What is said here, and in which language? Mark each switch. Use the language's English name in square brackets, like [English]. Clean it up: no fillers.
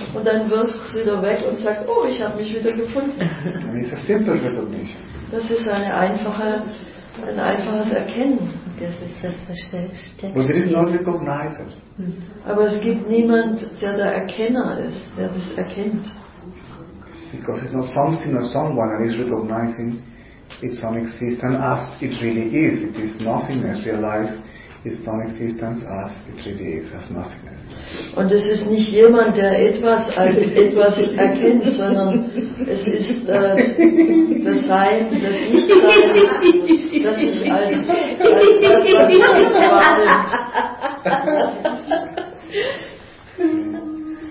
[German] Und dann wirft es wieder weg und sagt, oh, ich habe mich wieder gefunden. [English] And it's a simple recognition. [German] Das ist eine einfache, ein einfaches Erkennen. Das ist das Verständnis. [English] But there is no recognizer. [German] Aber es gibt niemand, der der Erkenner ist, der das erkennt. [English] Because it's not something or someone that is recognizing its own existence as it really is. It is nothingness. Realize its own existence as it really is, as nothingness. [German] Und es ist nicht jemand, der etwas als etwas erkennt, sondern es ist das Sein, das Nichtsein, das ich als das wahrnimmt.